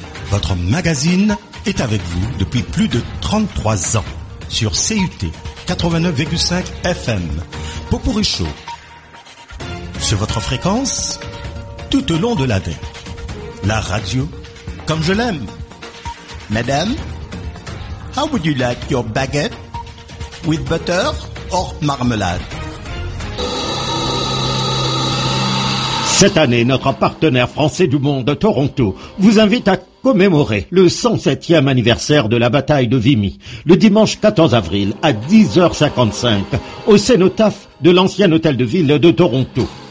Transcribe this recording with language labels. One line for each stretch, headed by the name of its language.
French: Votre magazine est avec vous depuis plus de 33 ans. Sur CUT 89,5 FM, Popourri Show, sur votre fréquence, tout au long de l'année, la radio, comme je l'aime.
English: Madame, how would you like your baguette, with butter or marmalade?
French: Cette année, notre partenaire français du monde, Toronto, vous invite à commémorer le 107e anniversaire de la bataille de Vimy, le dimanche 14 avril à 10h55, au cénotaphe de l'ancien hôtel de ville de Toronto.